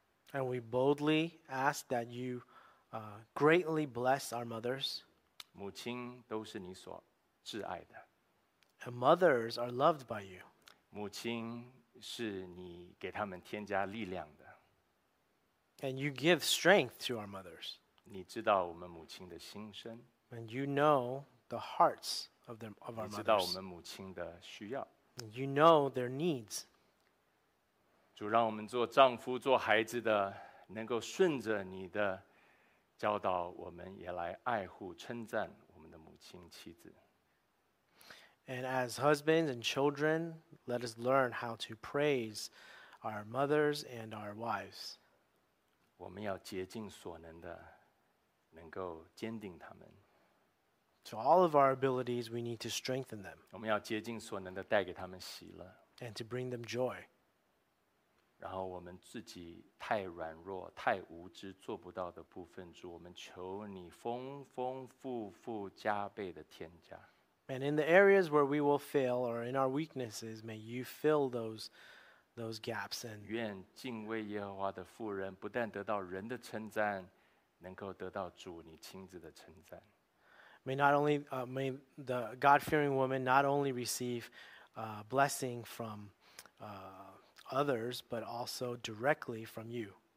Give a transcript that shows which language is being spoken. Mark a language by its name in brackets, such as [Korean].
[English] And we boldly ask that you greatly bless our mothers. [Chinese] 母亲都是你所挚爱的。 [English] And mothers are loved by you. [Chinese] 母亲是你给他们添加力量的。 [English] And you give strength to our mothers. [Chinese] 你知道我们母亲的心声。 [English] And you know the hearts of them of our mothers. [Chinese] 你知道我们母亲的需要。 [English] And you know their needs. [Chinese] 主，让我们做丈夫、做孩子的，能够顺着你的教导，我们也来爱护、称赞我们的母亲、妻子。 [English] And as husbands and children, let us learn how to praise our mothers and our wives. [Chinese] 我们要竭尽所能的能够坚定他们。 [English] To all of our abilities, we need to strengthen them. [Chinese] 我们要竭尽所能的带给他们喜乐。 [English] And to bring them joy. [Chinese] 然后我们自己太软弱、太无知、做不到的部分，主，我们求你丰丰富富加倍的添加。 [English] And in the areas where we will fail or in our weaknesses, may you fill those gaps and [Chinese] 愿敬畏耶和华的妇人不但得到人的称赞，能够得到主你亲自的称赞。 [English] May the God-fearing woman not only receive blessing from others, but also directly from you.